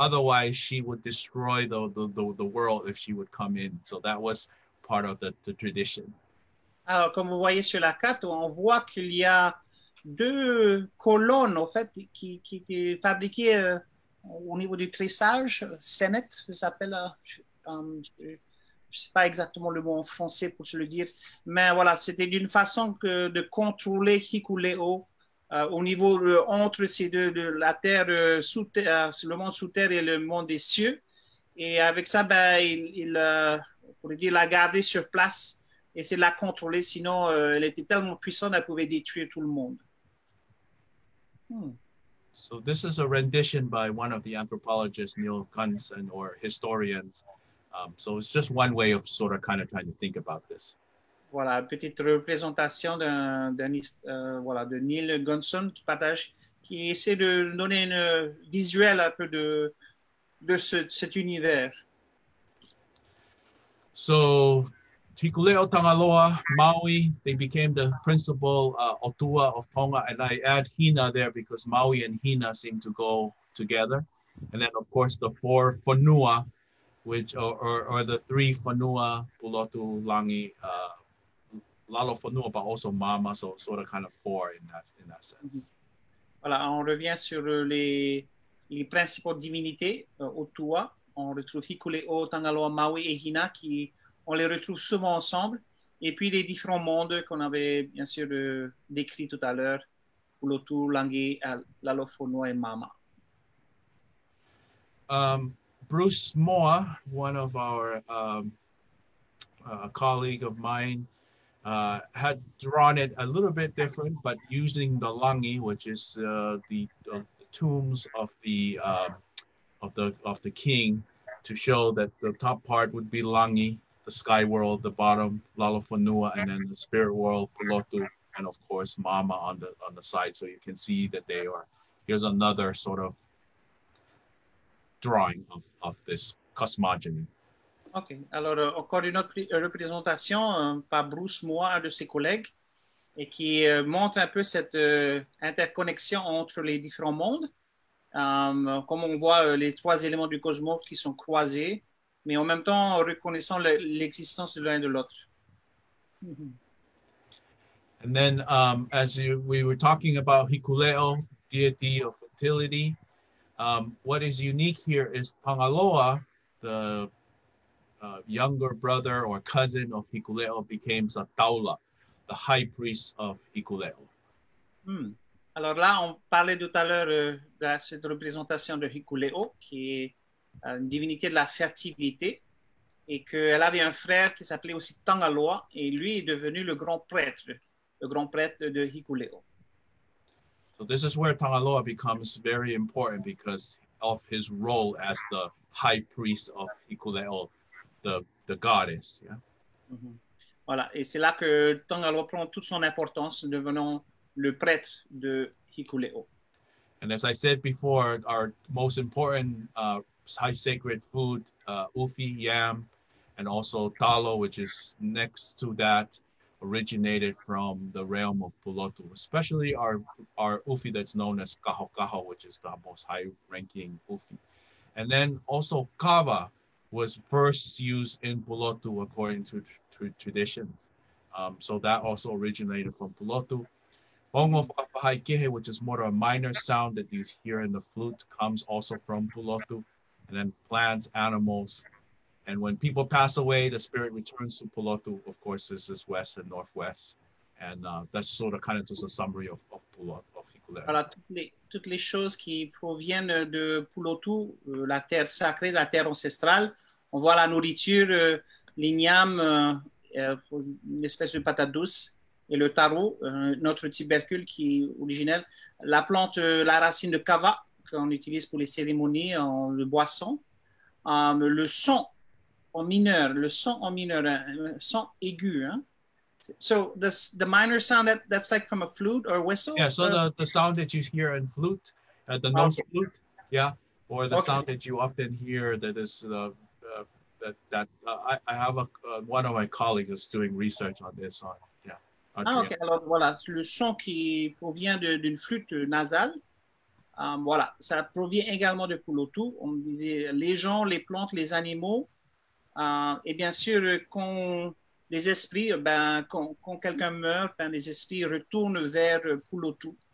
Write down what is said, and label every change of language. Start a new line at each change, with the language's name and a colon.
English: Otherwise, she would destroy the world if she would come in. So that was part of the tradition.
French: Alors, comme vous voyez sur la carte, on voit qu'il y a deux colonnes, en fait, qui étaient fabriquées au niveau du tressage, sennet, ça s'appelle. Je ne sais pas exactement le mot en français pour se le dire, mais voilà, c'était d'une façon de contrôler Hikuleʻo au niveau entre ces deux, de la terre, le monde sous terre et le monde des cieux. Et avec ça, on pourrait dire, l'a gardé sur place et c'est de la contrôler, sinon elle était tellement puissante, elle pouvait détruire tout le monde.
English: So this is a rendition by one of the anthropologists, Neil Gunson, or historians. So it's just one way of sort of kind of trying to think about this.
French: Voilà, petite représentation de Neil Gunson qui partage, qui essaie de donner une visuelle un peu de cet univers.
English: So Hikuleʻo, Tangaloa, Māui, they became the principal Otua of Tonga, and I add Hina there because Māui and Hina seem to go together. And then, of course, the four Whanua, which are the three Whanua, Pulotu, Langi, Lalo Whanua, but also Mama, so sort of kind of four in that sense. Mm-hmm.
French: Voilà, on revient sur les principaux divinités Otua. On retrouve Hikuleʻo, Tangaloa, Māui et Hina qui... On les retrouve souvent ensemble, et puis les différents mondes qu'on avait bien sûr décrit tout à l'heure, Pulotu, Langi, Lalofonua et Mama.
English: Bruce Moa, one of our colleague of mine, had drawn it a little bit different, but using the Langi, which is the tombs of the king, to show that the top part would be Langi. The sky world, the bottom, Lalofonua, and then the spirit world, Pulotu, and of course, Mama on the side. So you can see that they are, here's another sort of drawing of this cosmogony.
French: OK, alors encore une autre représentation par Bruce Moore, un de ses collègues, et qui montre un peu cette interconnexion entre les différents mondes. Comme on voit les trois éléments du cosmos qui sont croisés, mais en même temps reconnaissant l'existence de l'un de l'autre.
English: And then as we were talking about Hikuleʻo, deity of fertility, what is unique here is Tangaloa, the younger brother or cousin of Hikuleʻo, became a taula, the high priest of Hikuleʻo. Mm.
French: Alors là, on parlait tout à l'heure de cette représentation de Hikuleʻo qui est une divinité de la fertilité, et qu'elle avait un frère qui s'appelait aussi Tangaloa, et lui est devenu le grand prêtre de Hikuleʻo.
English: So this is where Tangaloa becomes very important because of his role as the high priest of Hikuleʻo, the goddess. Yeah? Mm-hmm.
French: Voilà, et c'est là que Tangaloa prend toute son importance, devenant le prêtre de Hikuleʻo.
English: And as I said before, our most important high sacred food, ufi, yam, and also talo, which is next to that, originated from the realm of Pulotu, especially our ufi that's known as kahokaho, which is the most high-ranking ufi. And then also kava was first used in Pulotu according to tradition. So that also originated from Pulotu. Bongo papahaikehe, which is more of a minor sound that you hear in the flute, comes also from Pulotu. And then plants, animals, and when people pass away, the spirit returns to Pulotu. Of course, this is west and northwest, and that's sort of kind of just a summary of Pulotu, of Hikuleʻo.
French: Alors, toutes les choses qui proviennent de Pulotu, la terre sacrée, la terre ancestrale, on voit la nourriture, l'igname, une espèce de patate douce, et le taro, notre tubercule qui est originaire, la plante, la racine de kava, qu'on utilise pour les cérémonies, le boisson, le son en mineur, un son aigu. Hein?
English: So the minor sound that's like from a flute or whistle. Yeah. So the sound that you hear in flute, the nose okay. Flute. Yeah. Or the okay. Sound that you often hear that is I have one of my colleagues is doing research on this on. Yeah. Ah, okay.
French: Alors voilà, le son qui provient d'une flûte nasale. Voilà, ça provient également de Pulotu. On disait les gens, les plantes, les animaux, et bien sûr, quand les esprits, quand quelqu'un meurt, les esprits retournent vers Pulotu.